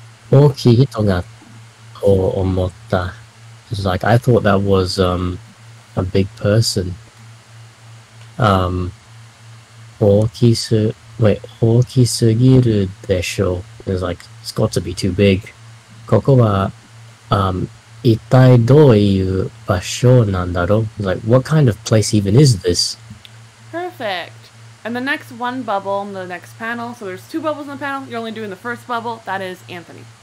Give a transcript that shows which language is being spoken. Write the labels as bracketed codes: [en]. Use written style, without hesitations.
[ja] 大きい人だと思った. [en] It's like, I thought that was a big person. [ja] 大きすぎるでしょ. [en] It's like, it's got to be too big. [ja] ここは一体どういう場所なんだろう? [en] It's like, what kind of place even is this? Perfect. And the next one bubble in the next panel, so there's two bubbles in the panel, you're only doing the first bubble, that is Anthony.